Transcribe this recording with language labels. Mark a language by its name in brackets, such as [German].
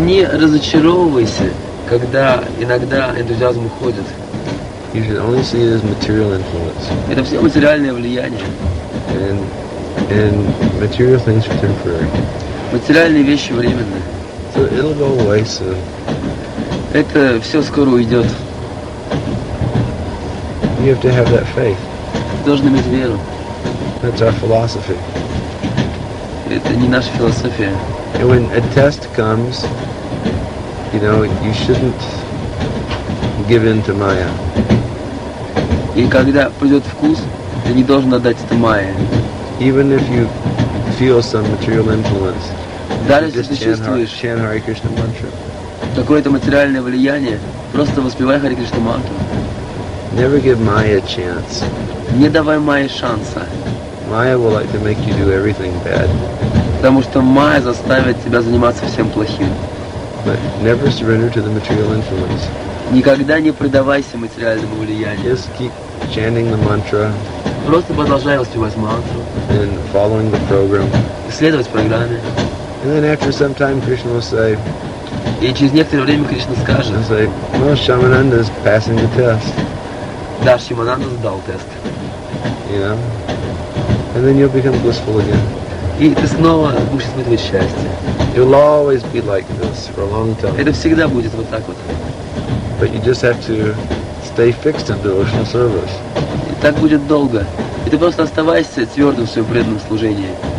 [Russian] Не разочаровывайся, когда иногда энтузиазм уходит. [English] You should only see it as material influence. [Russian] Это все материальное влияние. [English] And material things are temporary. [Russian] Материальные вещи временные. [English] So it'll go away soon. [Russian] Это все скоро уйдет. [English] You have to have that faith. [Russian] Ты должен иметь веру. [English] That's our philosophy. [Russian] Это не наша философия. [English] And when a test comes, you know, you shouldn't give in to Maya. [Russian] И когда придет вкус, ты не должен отдать это Майе. [English] Even if you feel some material influence, [Russian] даже если ты чувствуешь [English] chant Hare Krishna mantra. [Russian] Какое-то материальное влияние, просто воспевай Hare Krishna mantra. [English] Never give Maya a chance. [Russian] Не давай Майе шанса. [English] Maya will like to make you do everything bad. [Russian] Потому что Майя заставит тебя заниматься всем плохим. [English] But never surrender to the material influence. [Russian] Никогда не предавайся материальному влиянию. [English] Just keep chanting the mantra. [Russian] Просто продолжай воспевать мантру. [English] And following the program. [Russian] И следовать программе. [English] And then after some time Krishna will say. [Russian] И через некоторое время Кришна скажет. [English] Say, well, Shamananda is passing the test. [Russian] Да, Шамананда сдал тест. [English] Yeah. And then you'll become blissful again. [Russian] И ты снова будешь испытывать счастье. [English] You'll always be like this for a long time. [Russian] Это всегда будет вот так вот. [English] But you just have to stay fixed in devotional service. [Russian] И так будет долго. И ты просто оставайся твердым в своем преданном служении.